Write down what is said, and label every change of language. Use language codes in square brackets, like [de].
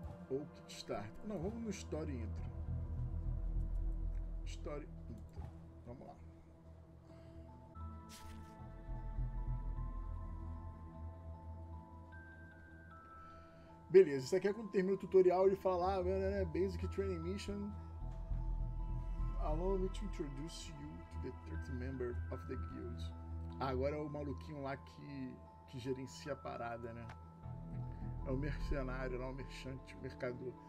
[en] Ok, start. [pt] Não, vamos no story intro. Story intro. Vamos lá. Beleza, isso aqui é quando termina o tutorial e falar, né, [en] basic training mission. Allow me to introduce you to the third member of the guild. [pt] Agora é o maluquinho lá que gerencia a parada, né? É o mercenário lá, o merchante, o mercador.